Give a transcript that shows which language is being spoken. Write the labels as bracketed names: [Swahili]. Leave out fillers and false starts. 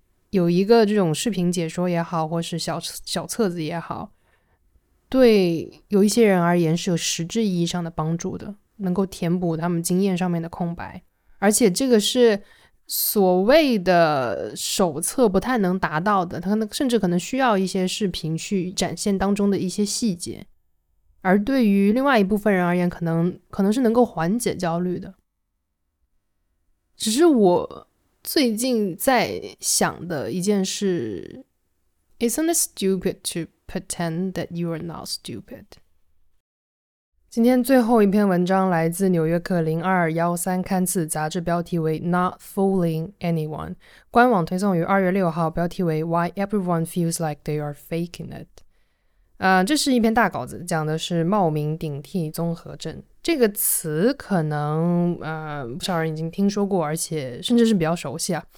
[Chinese] 有一个这种视频解说也好，或是 小册子也好，对有一些人而言是有实质意义上的帮助的，能够填补他们经验上面的空白，而且这个是所谓的手册不太能达到的，他甚至可能需要一些视频去展现当中的一些细节，而对于另外一部分人而言，可能是能够缓解焦虑的。只是我最近在想的一件事， [English] Isn't it stupid to pretend that you are not stupid. [Chinese] 今天最后一篇文章来自纽约客0213刊次，杂志标题为 Not Fooling Anyone， 官网推送于2月6号，标题为 Why Everyone Feels Like They Are Faking It。这是一篇大稿子，讲的是冒名顶替综合症这个词，可能不少人已经听说过，而且甚至是比较熟悉啊。